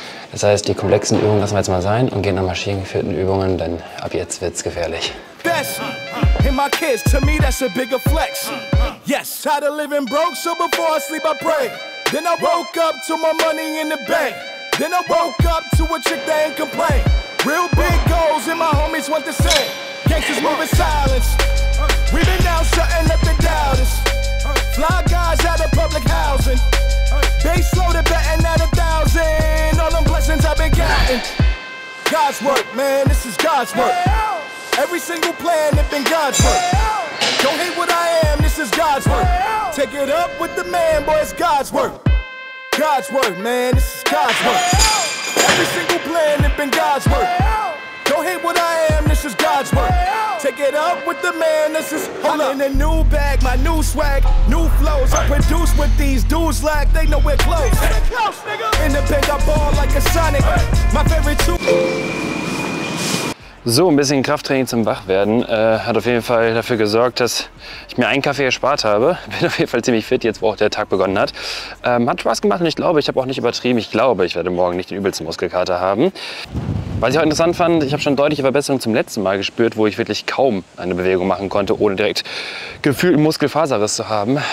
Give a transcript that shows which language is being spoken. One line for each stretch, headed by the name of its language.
German: Das heißt, die komplexen Übungen lassen wir jetzt mal sein und gehen an maschinengeführten Übungen, denn ab jetzt wird's gefährlich.
English: Best in my kids, to me that's a bigger flex. Yes, tired of living broke, so before I sleep I pray. Then I woke up to my money in the bank. Then I woke up to a chick that ain't complain. Real big goals and my homies want the same. Gangsters moving silence. We been down shutting up the doubters. Fly guys out of public housing. They slow the betting at 1,000. All them blessings I've been counting. God's work, man, this is God's work. Every single plan had been God's work. Don't hate what I am, this is God's work. Take it up with the man, boy, it's God's work. God's work, man, this is God's work. Every single plan had been God's work. Don't hate what I am, this is God's work. Take it up with the man, this is hold I'm up. In a new bag, my new swag, new flows. Hey. I produce with these dudes like they know we're close. Hey. Hey. In the pick up ball like a Sonic, hey. My favorite two.
German: So, ein bisschen Krafttraining zum Wachwerden hat auf jeden Fall dafür gesorgt, dass ich mir einen Kaffee erspart habe. Bin auf jeden Fall ziemlich fit, jetzt wo auch der Tag begonnen hat. Hat Spaß gemacht und ich glaube, ich habe auch nicht übertrieben. Ich glaube, ich werde morgen nicht den übelsten Muskelkater haben. Was ich auch interessant fand, ich habe schon deutliche Verbesserungen zum letzten Mal gespürt, wo ich wirklich kaum eine Bewegung machen konnte, ohne direkt gefühlt einen Muskelfaserriss zu haben.